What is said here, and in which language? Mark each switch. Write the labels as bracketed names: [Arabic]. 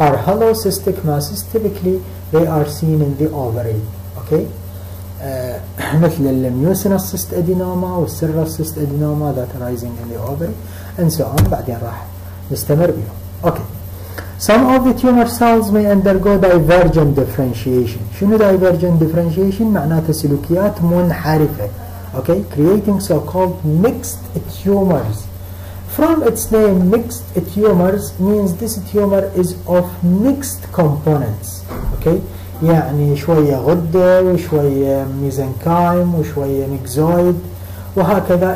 [English] Our hollow cystic masses, typically they are seen in the ovary. Okay, [Arabic] مثل [English] الميوسينوس cyst adenoma والسيروس cyst adenoma that arising in the ovary and so on. [Arabic] بعدين راح نستمر بيهم. Okay. [English] Some of the tumor cells may undergo divergent differentiation. [Arabic] شنو divergent differentiation؟ معناته سلوكيات منحرفة. [English] Okay, creating so-called mixed tumors. From its name, mixed tumors means this tumor is of mixed components. [Arabic] Okay, يعني شوية غدة وشوية ميزنكايم وشوية ميكزويد وهكذا.